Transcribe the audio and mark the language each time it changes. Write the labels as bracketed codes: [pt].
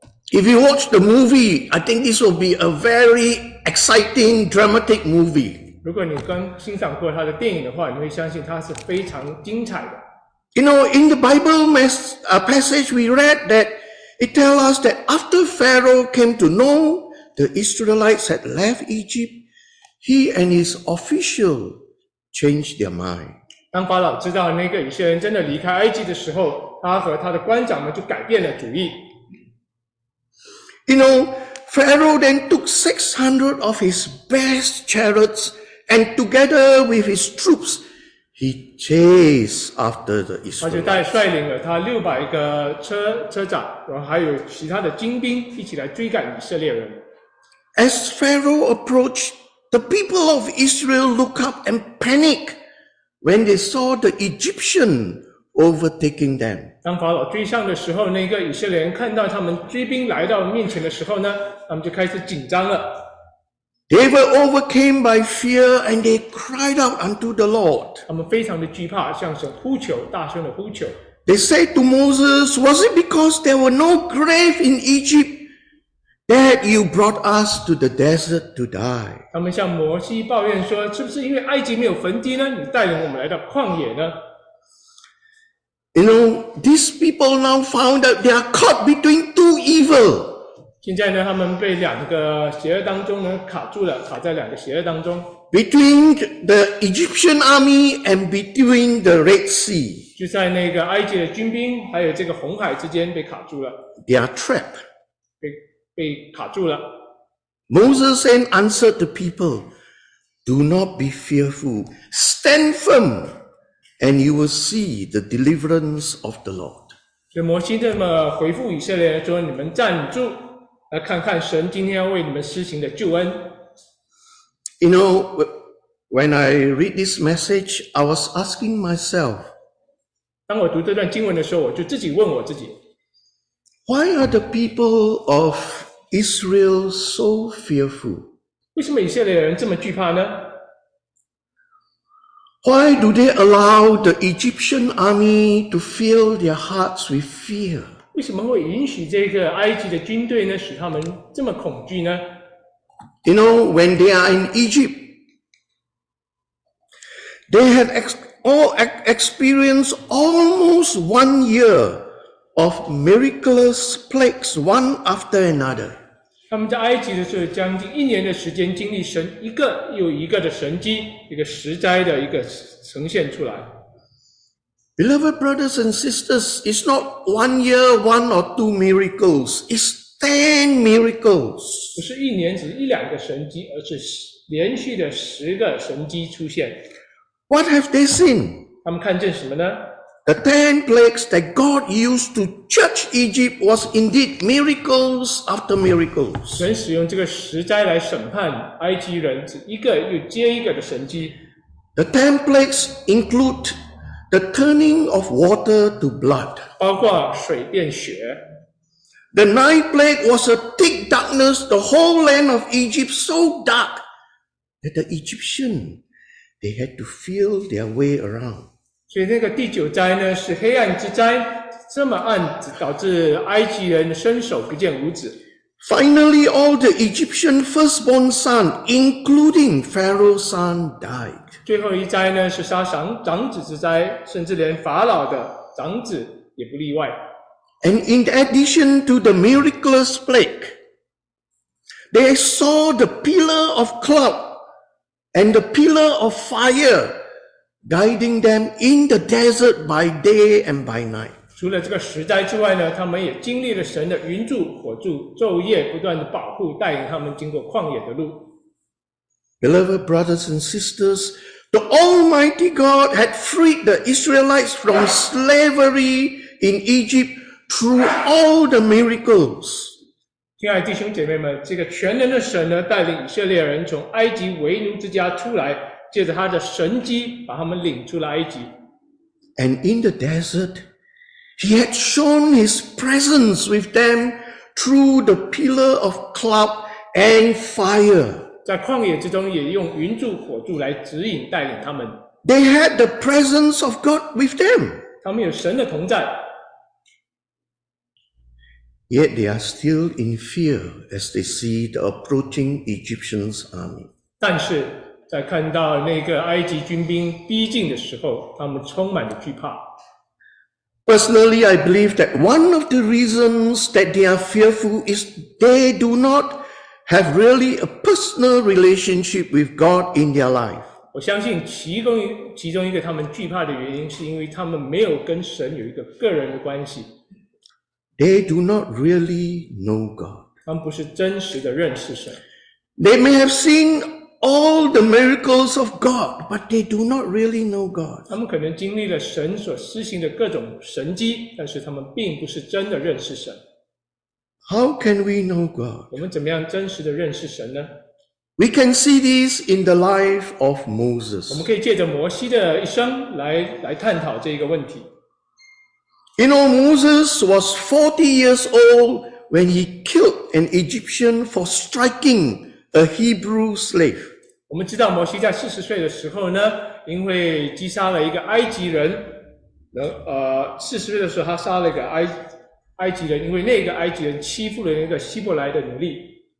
[en] If you watch the movie, I think this will be a very exciting, dramatic movie. [zh] 如果你刚欣赏过他的电影的话，你会相信他是非常精彩的。 [en] You know, in the Bible passage we read that it tells us that after Pharaoh came to know the Israelites had left Egypt, he and his official changed their mind. [zh] 当法老知道那个以色列人真的离开埃及的时候，他和他的官长们就改变了主意。 [en] You know, Pharaoh then took 600 of his best chariots, and together with his troops, he chased after the Israelites. [zh] 他就带率领了他600个车长，然后还有其他的精兵一起来追赶以色列人。 [en] As Pharaoh approached, the people of Israel looked up and panicked. When they saw the Egyptian overtaking them, [zh] 当法老追上的时候，那个以色列人看到他们追兵来到面前的时候呢，他们就开始紧张了。 [en] They were overcome by fear and they cried out unto the Lord. [zh] 他们非常的惧怕，向神呼求，大声的呼求。 [en] They said to Moses, "Was it because there were no grave in Egypt that you brought us to the desert to die?" [zh] 他们向摩西抱怨说，是不是因为埃及没有坟地呢，你带领我们来到旷野呢？ [en] You know, these people now found that they are caught between two evil. [zh] 现在呢，他们被两个邪恶当中呢卡住了，卡在两个邪恶当中。 [en] Between the Egyptian army and between the Red Sea. [zh] 就在那个埃及的军兵还有这个红海之间被卡住了。 [en] They are trapped. [zh] 被卡住了。 [en] Moses then answered the people, "Do not be fearful. Stand firm, and you will see the deliverance of the Lord." [zh] 所以摩西这么回复以色列说：“你们站住，来看看神今天要为你们施行的救恩。” [en] You know, when I read this message, I was asking myself. [zh] 当我读这段经文的时候，我就自己问我自己 [en] ：Why are the people of Israel so fearful. [zh] 为什么以色列人这么惧怕呢？ [en] Why do they allow the Egyptian army to fill their hearts with fear? [zh] 为什么会允许这个埃及的军队呢？使他们这么恐惧呢？ [en] You know, when they are in Egypt, they had experienced almost 1 year of miraculous plagues, one after another. [zh] 他们在埃及的时候，将近一年的时间，经历神一个又一个的神迹，一个实灾的一个呈现出来。 [en] Beloved brothers and sisters, it's not 1 year, one or two miracles. It's 10 miracles. [zh] 不是一年只是一两个神迹，而是连续的十个神迹出现。 [en] What have they seen? [zh] 他们看见什么呢？ [en] The 10 plagues that God used to judge Egypt was indeed miracles after miracles. [zh] 神使用这个十灾来审判埃及人，是一个又接一个的神迹。 [en] The 10 plagues include the turning of water to blood. [zh] 包括水变血。 [en] The 9th plague was a thick darkness, the whole land of Egypt so dark that the Egyptian, they had to feel their way around. [zh] 所以那个第九灾呢，是黑暗之灾，这么暗，导致埃及人伸手不见五指。 [en] Finally, all the Egyptian firstborn son, including Pharaoh's son, died. [zh] 最后一灾呢，是杀长子之灾，甚至连法老的长子也不例外。 [en] And in addition to the miraculous plague, they saw the pillar of cloud and the pillar of fire guiding them in the desert by day and by night. [zh] 除了这个十灾之外呢，他们也经历了神的云柱、火柱，昼夜不断的保护，带领他们经过旷野的路。 [en] Beloved brothers and sisters, the Almighty God had freed the Israelites from slavery in Egypt through all the miracles. [zh] 亲爱的弟兄姐妹们，这个全能的神呢，带领以色列人从埃及为奴之家出来，借着他的神迹把他们领出了埃及。 [en] And in the desert, he had shown his presence with them through the pillar of cloud and fire. [zh] 在旷野之中也用云柱火柱来指引带领他们。 [en] They had the presence of God with them. [zh] 他们有神的同在。 [en] Yet they are still in fear as they see the approaching Egyptian army. [zh] 但是在看到那个埃及军兵逼近的时候，他们充满了惧怕。 [en] Personally, I believe that one of the reasons that they are fearful is they do not have really a personal relationship with God in their life. [zh] 我相信其中一个他们惧怕的原因，是因为他们没有跟神有一个个人的关系。 [en] They do not really know God. [zh] 他们不是真实的认识神。 [en] They may have seen all the miracles of God, but they do not really know God. [zh] 他们可能经历了神所施行的各种神迹，但是他们并不是真的认识神。 [en] How can we know God? [zh] 我们怎么样真实的认识神呢？ [en] We can see this in the life of Moses. [zh] 我们可以借着摩西的一生来探讨这个问题。 [en] You know, Moses was 40 years old when he killed an Egyptian for striking a Hebrew slave. [zh] 我们知道摩西在40岁的时候呢，因为击杀了一个埃及人，40岁的时候他杀了一个埃及人，因为那个埃及人欺负了那个希伯来的奴隶。